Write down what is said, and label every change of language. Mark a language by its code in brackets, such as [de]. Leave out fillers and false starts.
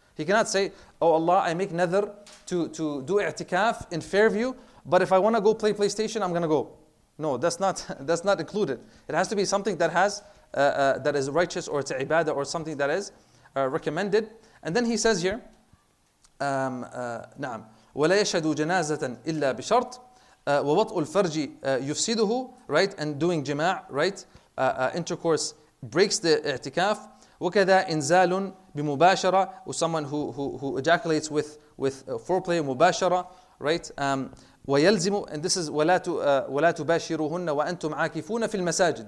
[en] He cannot say, oh Allah, I make nadhr to do i'tikaf in Fairview, but if I want to go play PlayStation, I'm going to go. No, that's not included. It has to be something that has that is righteous, or it's ibadah, or something that is recommended. And then he says here, na'am. [ar] وَلَا يَشْهَدُ جَنَازَةً إِلَّا بِشَرْطٍ وَوَطْءُ الْفَرْجِ يُفْسِدُهُ, right? [en] And doing jima', right? Intercourse breaks the i'tikaf. [ar] وَكَذَا إِنْزَالٌ بِمُبَاشَرَةٍ, [en] or someone who ejaculates with foreplay, مُبَاشَرَةً, right? [ar] وَيَلْزِمُ, [en] and this is [ar] وَلَا تُبَاشِرُهُنَّ وَأَنْتُمْ عَاكِفُونَ فِي الْمَسَاجِدِ.